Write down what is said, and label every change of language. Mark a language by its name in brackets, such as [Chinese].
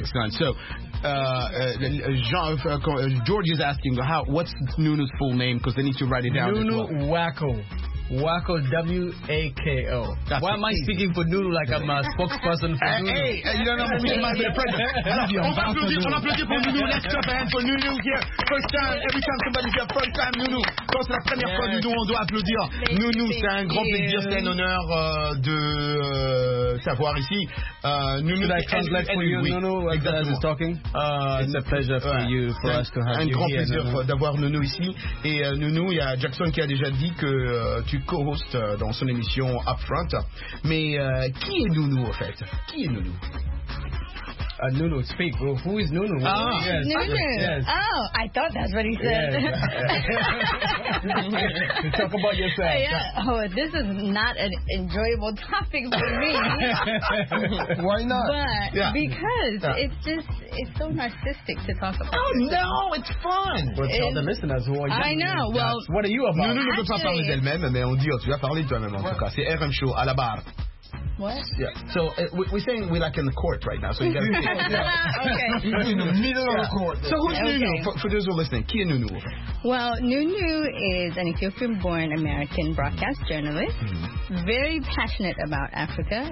[English] Excellent. So, George is asking, what's Nounou's full name? Because they need to write it down. Nounou Wacko. Wacko, W-A-K-O. That's why am I speaking for Nounou like I'm a spokesperson for Nounou? Hey, you don't know who me and my friend. [French] On applaudit pour Nounou. [English] Let's clap hands for Nounou here. First time, every time somebody's here, first time Nounou. [French] Quand c'est la première fois Nounou, on doit applaudir. Nounou, c'est un grand plaisir, c'est un honneur de t'avoir ici. [English] Nounou, I translate for you, Nounou, as he's talking. It's a pleasure for you, for us to have you here. [French] Un grand plaisir d'avoir Nounou ici. Et Nounou, il y a Jackson qui a déjà dit que tu co-hostes dans son émission Upfront. Mais qui est Nounou, en fait? Qui est Nounou? [English] Nounou, speak. Who is Nounou? Ah, yes. Nounou. Yes. Oh, I thought that's what he said. Yes. Talk about yourself. Yeah. Oh, this is not an enjoyable topic for me. Why not? But because it's just, it's so narcissistic to talk about. Oh, no, it's fun. Well, tell the listeners who are you. I know. Well, what are you about? [French] Nounou ne peut pas parler d'elle-même, mais on dit, tu as parlé toi-même en tout cas. C'est RM Show à la barre. [English] What? Yeah. So we're saying we're like in the court right now. So you got to. Okay. Middle of the court. So who's Nounou? For those who are listening, who is Nounou? Well, Nounou is an Ethiopian-born American broadcast journalist. Very passionate about Africa.